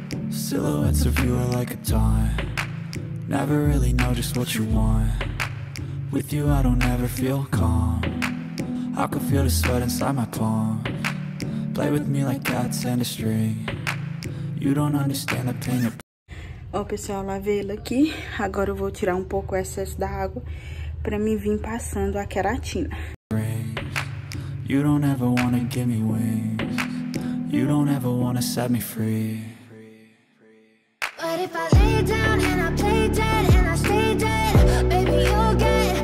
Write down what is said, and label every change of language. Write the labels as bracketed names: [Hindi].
[English] Silhouettes of you are like a taunt. Never really know just what you want. With you I don't ever feel calm. I can feel the sweat inside my palm. Play with me like cats and a string. You don't understand the pain of... [Portuguese] Ó, pessoal, lavei ele aqui. Agora eu vou tirar um pouco o excesso da água pra mim vir passando a queratina. [English] You don't ever wanna give me wings. You don't ever wanna set me free. But if I lay down and I play dead and I stay dead, baby, you'll get...